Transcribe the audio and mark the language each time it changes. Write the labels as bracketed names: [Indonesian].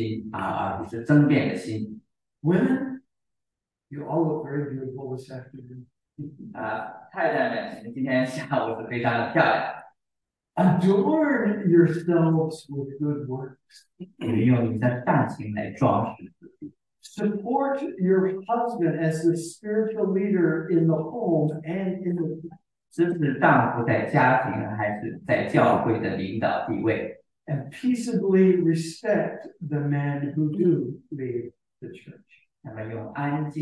[Chinese] 男人要这个来敬拜，这个要用这个纯洁的心，而不是争辩的心。 [English] Women, you all look very beautiful this afternoon. [Chinese] 太太们，你们今天下午是非常的漂亮。 [English] Adorn yourselves with good works. [Chinese] 你用你的大情来装饰自己。 [English] Support your husband as the spiritual leader in the home and in the church. [Chinese] 这是丈夫在家庭还是在教会的领导地位。 [English] And peaceably respect the men who do lead the church.